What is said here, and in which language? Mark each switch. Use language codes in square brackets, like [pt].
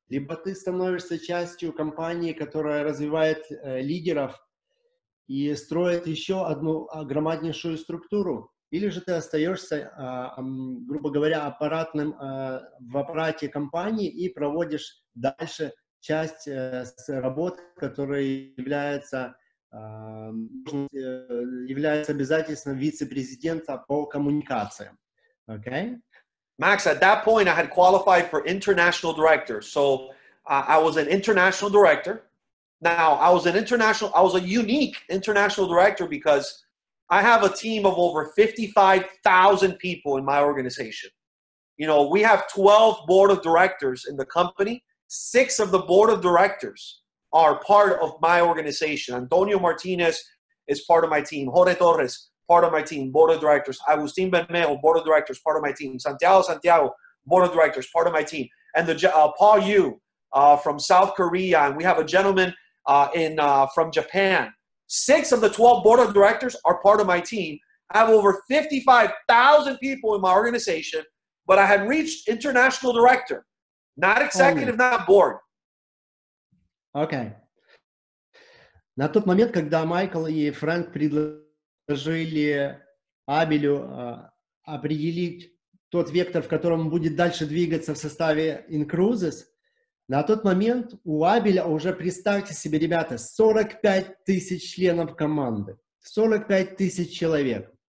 [ru] Либо ты становишься частью компании, которая развивает лидеров и строит еще одну громаднейшую структуру, или же ты остаешься, грубо говоря, аппаратным в аппарате компании и проводишь дальше часть работ, которая является обязательством вице-президента по коммуникациям. [en] Okay. Max, at that point, I had qualified for international director. So I was an international director. Now, I was a unique international director because I have a team of over 55,000 people in my organization. You know, we have 12 board of directors in the company. 6 of the board of directors are part of my organization. Antonio Martinez is part of my team. Jorge Torres, part of my team, board of directors. Agustin Bermejo, board of directors, part of my team. Santiago, board of directors, part of my team. And the Paul Yu from South Korea, and we have a gentleman from Japan. 6 of the 12 board of directors are part of my team. I have over 55,000 people in my organization, but I had reached international director, not executive, not board. Okay. [ru] На тот момент, когда Майкл и Фрэнк предложили Абелю определить тот вектор, в котором он будет дальше двигаться в составе Incruises, на тот момент у Абеля уже, представьте себе, ребята, 45 тысяч членов команды, 45 тысяч человек.